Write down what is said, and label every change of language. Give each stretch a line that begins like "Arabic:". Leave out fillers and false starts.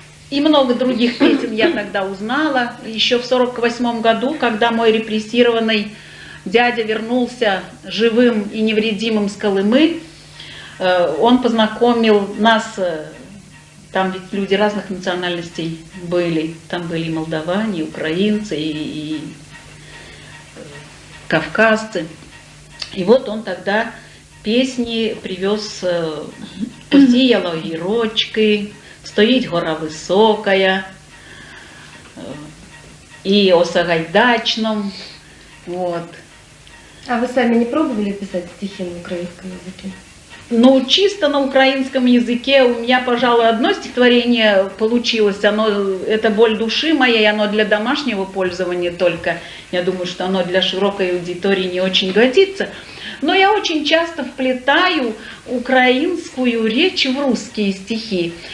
Russian: И много других песен я тогда узнала. Еще в 1948 году, когда мой репрессированный дядя вернулся живым и невредимым с Колымы, он познакомил нас, там ведь люди разных национальностей были, там были и молдаване, и украинцы, и кавказцы. И вот он тогда песни привез
Ukrainian: посіяла огірочки, стоїть гора високая, і осагайдачном.
Russian: Вот.
Ukrainian: А ви самі не пробували писати стихи на українському язикі?
Russian: Ну, чисто на украинском языке у меня, пожалуй, одно стихотворение получилось. Оно, это «Боль души моей», оно для домашнего пользования только. Я думаю, что оно для широкой аудитории не очень годится. Но я очень часто вплетаю украинскую речь в русские стихи.